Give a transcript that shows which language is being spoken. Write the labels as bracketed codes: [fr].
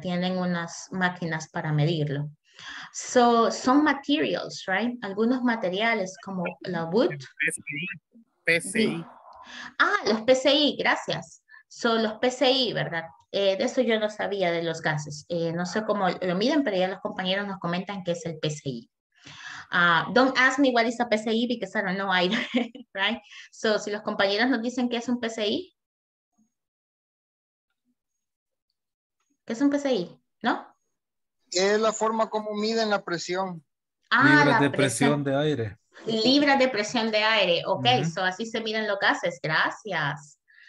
[es] Tienen unas máquinas para medirlo. So, son materials, right? Algunos materiales como la wood. PCI. Sí. Ah, los PCI, gracias. Son los PCI, ¿verdad? De eso yo no sabía, de los gases. No sé cómo lo miden, pero ya los compañeros nos comentan que es el PCI. [en] Don't ask me what is a PCI because I don't know either, right? [es] So, si los compañeros nos dicen que es un PCI. ¿Qué es un PCI? ¿No? Es la forma como miden la presión. Ah, libras de presión de aire. Libras de presión de aire. Ok, uh-huh. So así se miden los gases. Gracias.